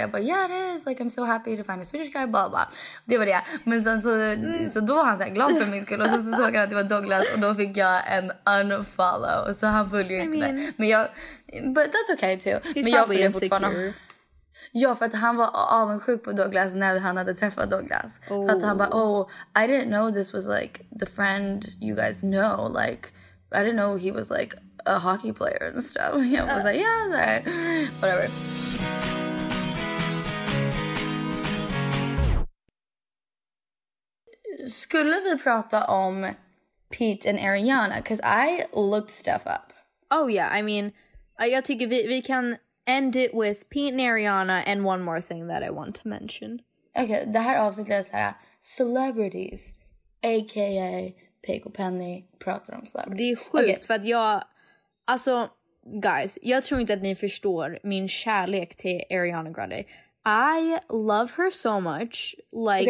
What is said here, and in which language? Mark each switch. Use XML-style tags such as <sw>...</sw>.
<sv>Jag bara,</sv> <en>yeah it is, like I'm so happy to find a Swedish guy, blah, blah.</en> <sv>Det var det. Men sen så, så då var han så här glad för min skull. Och sen så såg han att det var Douglas och då fick jag en unfollow. Så han följde inte mig. Men jag,</sv> <en>but that's okay too. He's</en> <sv>men jag följde fortfarande. Ja, för att han var avundsjuk på Douglas när han hade träffat Douglas. Oh. För att han bara,</sv> <en>oh, I didn't know this was like the friend you guys know. Like, I didn't know he was like a hockey player and stuff. I was like, yeah, that. Whatever.</en> <sv>Skulle vi prata om Pete and Ariana?</sv> <en>Because I looked stuff up. Oh, yeah. I mean,</en> <sv>jag tycker vi kan...</sv> <en>End it with Pete and Ariana and one more thing that I want to mention.</en> <sv>Okay, det här avsnittet är så här, celebrities, a.k.a. Pig och Penny, pratar om celebrities. Det är sjukt, okay. För att jag... Alltså, guys, jag tror inte att ni förstår min kärlek till Ariana Grande.</sv> <en>I love her so much. Like,</en>